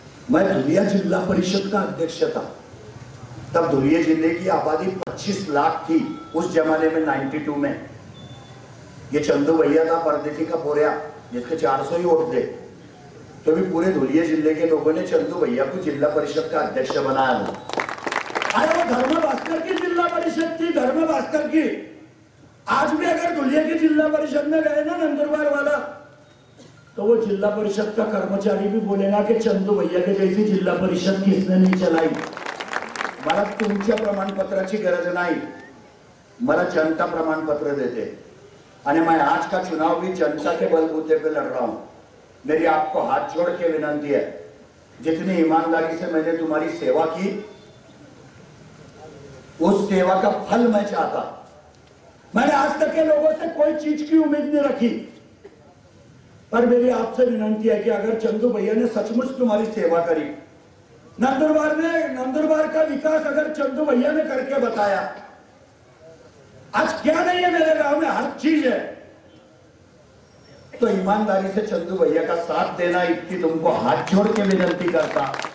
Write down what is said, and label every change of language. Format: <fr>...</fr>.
<hi>मैं धुरिया जिला परिषद का अध्यक्ष था, तब धुरिया जिले की आबादी 25 लाख थी उस जमाने में, 92 में, ये चंदू भैया था परदेसी का बोरिया जिसके 400 ही वोट थे, तो भी पूरे धुरिया जिले के लोगों ने चंदू भैया को जिला परिषद का अध्यक्ष बनाया। अरे वो धर्म भास्कर की जिला परिषद थी, धर्म भास्कर की, आज भी अगर धुलिया के जिला परिषद में गए ना नंदुरबार वाला, तो वो जिला परिषद का कर्मचारी भी बोलेगा कि चंदू भैया के जैसी जिला परिषद किसने नहीं चलाई।</hi> <mr>मला तुमच्या प्रमाणपत्राची गरज नाही, मला जनता प्रमाणपत्र देते, आणि</mr> <hi>मैं आज का चुनाव भी जनता के बलबूते पे लड़ रहा हूं। मेरी आपको हाथ जोड़ के विनंती है, जितनी ईमानदारी से मैंने तुम्हारी सेवा की उस सेवा का फल मैं चाहता। मैंने आज तक के लोगों से कोई चीज की उम्मीद नहीं रखी, पर मेरी आपसे विनंती है कि अगर चंदू भैया ने सचमुच तुम्हारी सेवा करी, नंदुरबार ने, नंदुरबार का विकास अगर चंदू भैया ने करके बताया, आज क्या नहीं है मेरे गांव में, हर चीज है, तो ईमानदारी से चंदू भैया का साथ देना, इतनी तुमको हाथ जोड़ के विनंती करता।</hi>